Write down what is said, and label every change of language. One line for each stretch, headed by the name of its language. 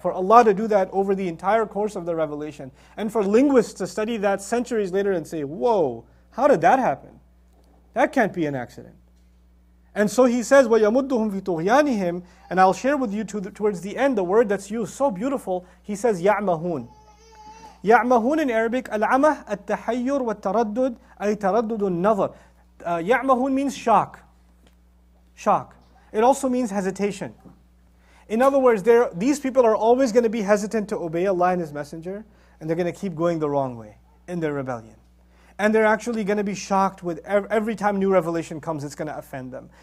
English: For Allah to do that over the entire course of the revelation. And for linguists to study that centuries later and say, whoa, how did that happen? That can't be an accident. And so he says,
Arabic: وَيَمُدُّهُمْ فِي تُغْيَانِهِمْ.
English: And I'll share with you towards the end the word that's used, so beautiful. He says, يَعْمَهُونَ.
Arabic: يَعْمَهُونَ
English: in Arabic,
Arabic: العمه التحير والتردد أي تردد النظر.
English: يَعْمَهُونَ means shock. Shock. It also means hesitation. In other words, these people are always going to be hesitant to obey Allah and His Messenger, and they're going to keep going the wrong way in their rebellion. And they're actually going to be shocked with every time new revelation comes, it's going to offend them.